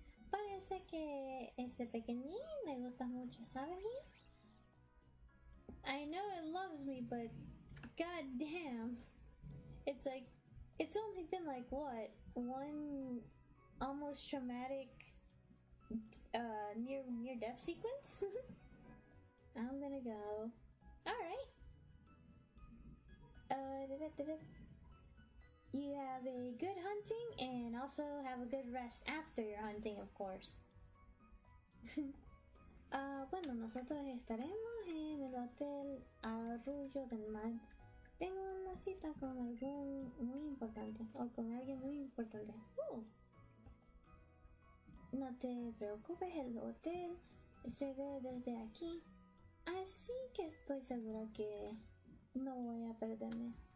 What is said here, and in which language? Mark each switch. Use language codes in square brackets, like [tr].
[es] Parece que este pequeñín le gusta mucho, ¿sabes? [en] I know it loves me, but goddamn, it's only been like what, one almost traumatic near death sequence. I'm gonna go. All right. You have a good hunting, and also have a good rest after your hunting, of course. [es] Bueno, nosotros estaremos en el hotel Arroyo del Mar. Tengo una cita con algún muy importante, o con alguien muy importante. No te preocupes, el hotel se ve desde aquí, así que estoy segura que no voy a perderme.